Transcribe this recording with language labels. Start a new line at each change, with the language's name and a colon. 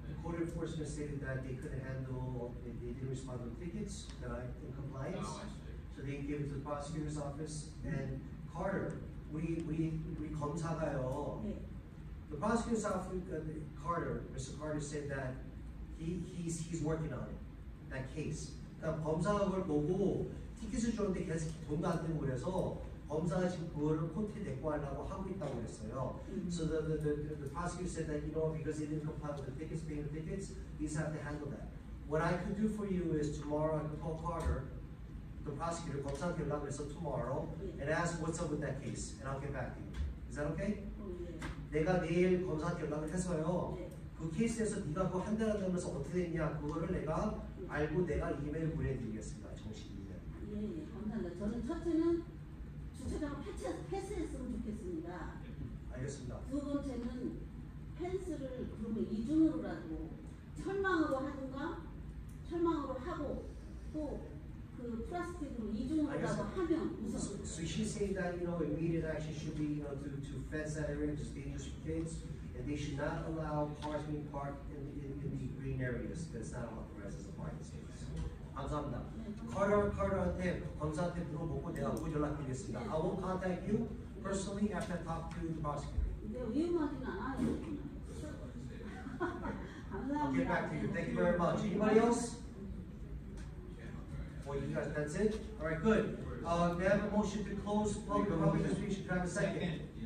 English: And code enforcement stated that they couldn't handle, they didn't respond to the tickets, that I in compliance. Oh, I see. So they gave it to the prosecutor's office, and Carter, we
Korean: 검사가요. 네.
English: The prosecutor's office, Carter, Mr. Carter said that he's working on it, that case.
Korean: 그러니까 검사가 그걸 보고 티켓을 줬는데 계속 돈도 안 되고 그래서 검사가 지금 그거를 코트에 데리고 하려고 하고 있다고 그랬어요.
English: So the prosecutor said that, you know, because he didn't comply with the tickets, paying the tickets, he's have to handle that. What I could do for you is tomorrow I can call Carter, the prosecutor,
Korean: 검사한테 연락을 해서
English: tomorrow, and ask what's up with that case, and I'll get back to you. Is that okay?
Korean: 내가 내일 검사한테 연락을 해서요, 그 케이스에서 네가 그거 한다는 점에서 어떻게 됐냐, 그거를 내가 알고 내가 이메일 보내드리겠습니다, 정식이. 예, 예, 감사합니다. 저는 첫째는 주차장 패스했으면 좋겠습니다. 알겠습니다. 두 번째는 펜스를 그러면 이중으로라도 철망으로 하든가 철망으로 하고 또
English: So she's saying that, you know, immediate action should be, you know, to fence that area, just dangerous for kids, and they should not allow cars being parked in the green areas. That's not authorized as a parking space.
Korean: 감사합니다. 네, 카라한테 검사한테 물어보고 내가 그 연락 드리겠습니다. 네.
English: I will contact you personally after I talk to the prosecutor.
Korean: 네, 감사합니다.
English: I'll get back to you. Thank you very much. Anybody else? Well, you guys, that's it? All right, good. We have a motion to close public administration. Can I have a second?